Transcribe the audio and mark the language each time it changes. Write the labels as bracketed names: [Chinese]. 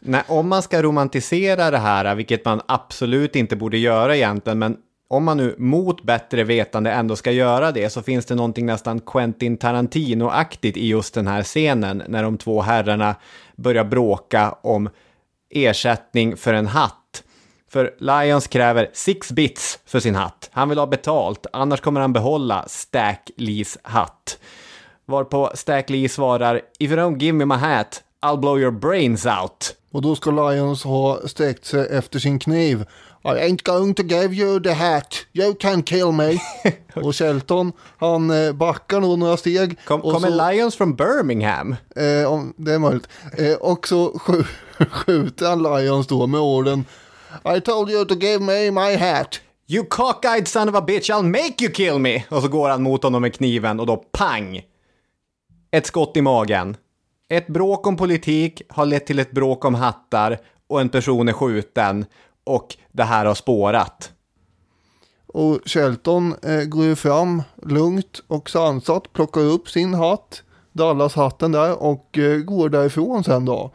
[Swedish] Nej, om man ska romantisera det här, vilket man absolut inte borde göra egentligen, men om man nu mot bättre vetande ändå ska göra det, så finns det någonting nästan Quentin Tarantino-aktigt i just den här scenen när de två herrarna börjar bråka om ersättning för en hatt. För Lyons kräver 6 bits för sin hatt. Han vill ha betalt, annars kommer han behålla Stack Lees hatt. Varpå Stack Lee svarar, [English] if you don't give me my hat, I'll blow your brains out. [Swedish] Och då ska Lyons ha sträckt sig efter sin kniv. [English] I ain't going to give you the hat. You can kill me. [Swedish] Och Shelton, han backar nog några steg. Kommer Lyons från Birmingham? Det är möjligt. Och så skjuter han Lyons då med orden, [English] I told you to give me my hat. You cockeyed son of a bitch, I'll make you kill me. [Swedish] Och så går han mot honom med kniven och då pang. Ett skott i magen. Ett bråk om politik har lett till ett bråk om hattar och en person är skjuten. Och det här har spårat. Och Shelton går ju fram lugnt och sansat, plockar upp sin hatt, Dallas-hatten där, och går därifrån sen då.